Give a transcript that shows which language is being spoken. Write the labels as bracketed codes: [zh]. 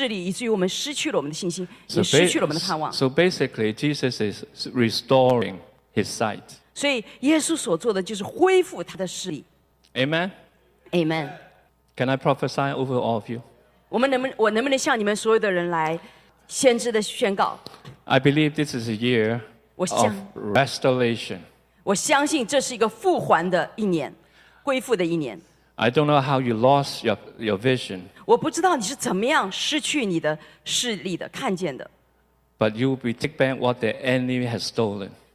[zh] 我们好像原来是充满信心，有这个盼望的，但是突然我们就失去了这个视力，以至于我们失去了我们的信心，也失去了我们的盼望。 [en] So basically, Jesus is restoring his sight. [zh] 所以耶稣所做的就是恢复他的视力。 [en] Amen. Amen. Can I prophesy over all of you? [zh] 我能不能向你们所有的人来先知的宣告? [en] I believe this is a year of restoration. [zh] 我相信这是一个复还的一年，恢复的一年。 [en] I don't know how you lost your vision. [zh] 我不知道你是怎么样失去你的视力的，看见的。 [en] But you will take back what the enemy has stolen.